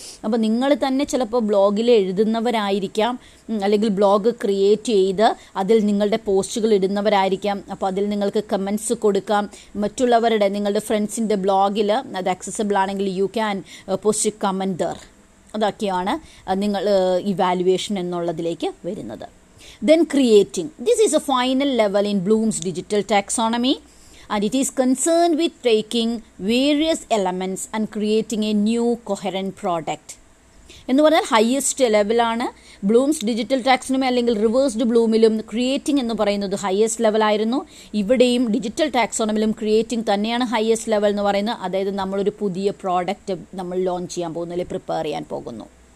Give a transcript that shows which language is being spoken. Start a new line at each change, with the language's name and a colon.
Malayalam: അപ്പോൾ നിങ്ങൾ തന്നെ ചിലപ്പോൾ ബ്ലോഗിൽ എഴുതുന്നവരായിരിക്കാം, അല്ലെങ്കിൽ ബ്ലോഗ് ക്രിയേറ്റ് ചെയ്ത് അതിൽ നിങ്ങളുടെ പോസ്റ്റുകൾ ഇടുന്നവരായിരിക്കാം. അപ്പോൾ അതിൽ നിങ്ങൾക്ക് കമൻറ്റ്സ് കൊടുക്കാം മറ്റുള്ളവരുടെ, നിങ്ങളുടെ ഫ്രണ്ട്സിൻ്റെ ബ്ലോഗിൽ. അത് ആക്സസബിൾ ആണെങ്കിൽ
English: You can post comment there.
Malayalam: അതൊക്കെയാണ് നിങ്ങൾ ഇവാലുവേഷൻ എന്നുള്ളതിലേക്ക് വരുന്നത്.
English: Then creating. This is a final level in Bloom's digital taxonomy and it is concerned with taking various elements and creating a new coherent product.
Malayalam: എന്ന് പറഞ്ഞാൽ highest ലെവലാണ് Bloom's digital ടാക്സിനോമി, അല്ലെങ്കിൽ reversed ബ്ലൂമിലും creating എന്ന് പറയുന്നത് highest ലെവലായിരുന്നു. ഇവിടെയും digital ടാക്സോണമിലും creating തന്നെയാണ് highest level എന്ന് പറയുന്നത്. അതായത് നമ്മളൊരു പുതിയ പ്രോഡക്റ്റ് നമ്മൾ ലോഞ്ച് ചെയ്യാൻ പോകുന്നു, അല്ലെങ്കിൽ പ്രിപ്പയർ ചെയ്യാൻ പോകുന്നു.